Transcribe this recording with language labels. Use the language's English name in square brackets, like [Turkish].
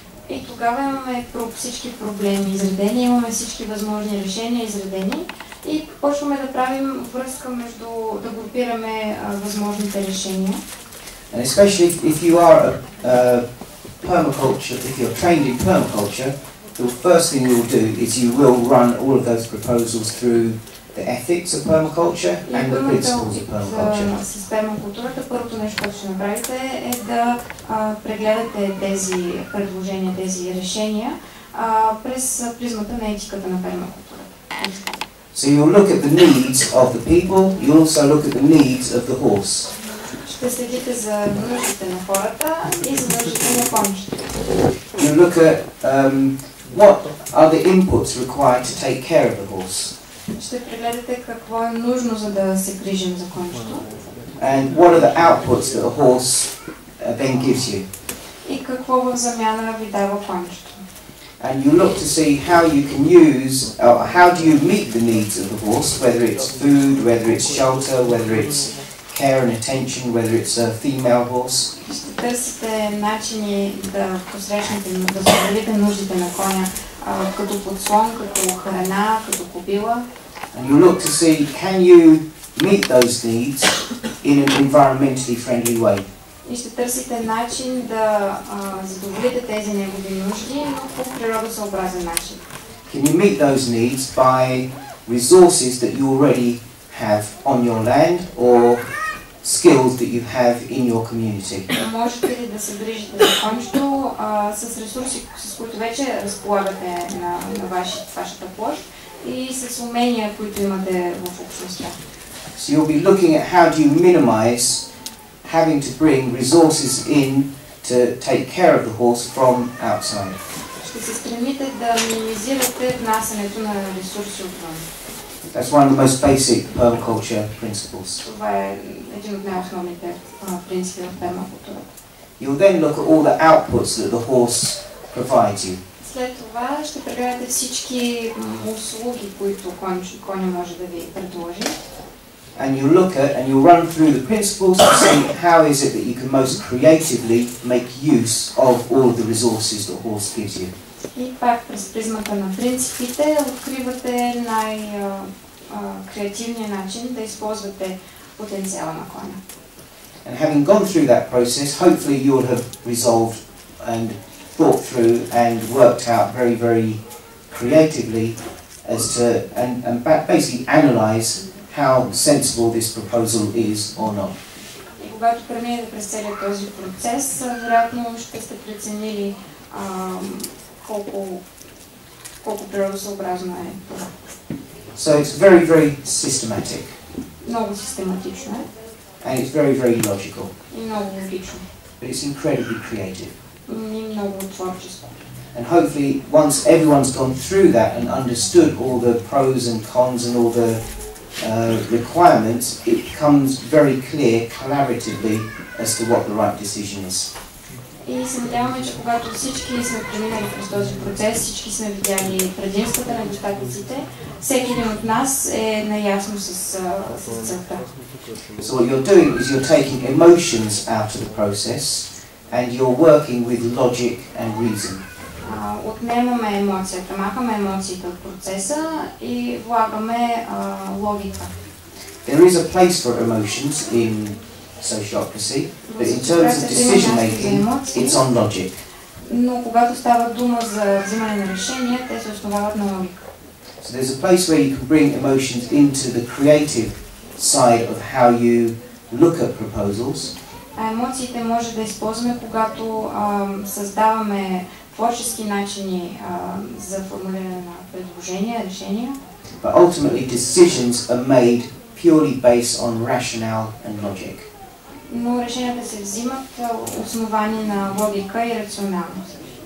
[Bulgarian] И тогава имаме всички проблеми изредени, имаме всички възможни решения изредени и почваме да правим връзка между, да групираме възможните решения. [English] And especially if you are permaculture, if you're trained in permaculture, the first thing you'll do is you will run all of those proposals through the ethics of permaculture and the principles of permaculture. [Bulgarian] С пермакултурата първото нещо, което ще направите, е да прегледате тези предложения, тези решения през призмата на етиката на пермакултурата. [English] So you'll look at the needs of the people, you'll also look at the needs of the horse. [Bulgarian] Ще следите за нуждите на хората и за нуждите на конищите. [English] You look at what are the inputs required to take care of the horse? [Bulgarian] Ще прегледате какво е нужно, за да се грижим за конищата. [English] And what are the outputs that a horse then gives you? [Bulgarian] И какво в замяна ви дава конищата. [English] and you look to see how you can use, how do you meet the needs of the horse, whether it's food, whether it's shelter, whether it's care and attention, whether it's a female horse. [Bulgarian] Търсите начини да посрещнете, да задоволите нуждите на коня, като подслон, като храна, като кобила. [English] And you look to see, can you meet those needs in an environmentally friendly way? [Bulgarian] И ще търсите начин да задоволите тези негови нужди, но по природосъобразен начин. [English] Can you meet those needs by resources that you already have on your land or skills that you have in your community? [Bulgarian] Можете ли да се грижите за кончето с ресурси, с които вече разполагате на вашата площ и с умения, които имате в общността? [English] So you'll be looking at how do you minimize having to bring resources in to take care of the horse from outside. [Bulgarian] Ще се стремите да минимизирате внасянето на ресурси отвън. [English] That's one of the most basic permaculture principles. [Bulgarian] Това е един от най-основните принципи в пермакултурата. [English] You'll then look at all the outputs that the horse provides you. [Bulgarian] След това ще прегледате всички услуги, които коня може да ви предложи. [English] And you look at and you run through the principles to see how is it that you can most creatively make use of all of the resources that horse gives you. [Bulgarian] И пак през призмата на принципите откривате най креативния начин да използвате потенциала на коня. [English] And having gone through that process, hopefully you would have resolved and thought through and worked out very, very creatively as to and basically analyze how sensible this proposal is or not. [Bulgarian] И когато преминете през целия този процес, вероятно ще сте преценили колко природосъобразно е това. [English] So it's very, very systematic. [Bulgarian] Много систематично е. [English] And it's very, very logical. [Bulgarian] И много логично. [English] But it's incredibly creative. [Bulgarian] И много творчество. [English] And hopefully, once everyone's gone through that and understood all the pros and cons and all the requirements, it becomes very clear collaboratively as to what the right decision is. [Bulgarian] И се надяваме, че когато всички сме преминали през този процес, всички сме видяли предимствата на достатъците, всеки един от нас е наясно с целта. [English] So what you're doing is you're taking emotions out of the process and you're working with logic and reason. [Bulgarian] Отнемаме емоцията, махаме емоциите от процеса и влагаме логика. [English] There is a place for emotions in sociocracy, but in terms of decision making, it's on logic. [Bulgarian] Но когато става дума за взимане на решения, те се основават на логика. [English] So there's a place where you can bring emotions into the creative side of how you look at proposals. [Bulgarian] Емоциите може да използваме, когато създаваме творчески начини за формулиране на предложения, решения. [English] But ultimately decisions are made purely based on rationale and logic. [Bulgarian] Но решенията се взимат основани на логика и рационалност.